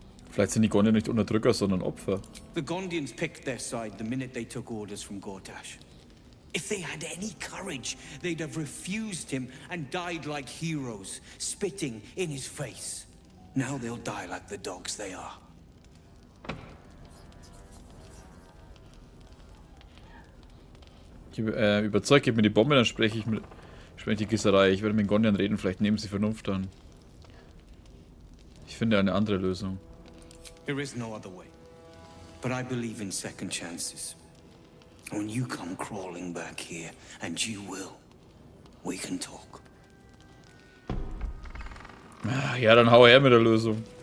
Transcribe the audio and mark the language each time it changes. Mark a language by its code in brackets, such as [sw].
[de] Vielleicht sind die Gondier nicht Unterdrücker, sondern Opfer. [en] The Gondians picked their side the minute they took orders from Gortash. If they had any courage, they'd have refused him and died like heroes, spitting in his face. Now they'll die like the dogs they are. [de] Überzeugt, gib mir die Bombe, dann spreche ich die Gisserei. Ich werde mit den Gondian reden, vielleicht nehmen sie Vernunft an. Ich finde eine andere Lösung. [en] There is no other way, but I believe in second chances. When you come crawling back here, and you will, we can talk. [de] Ja, dann hau her mit der Lösung.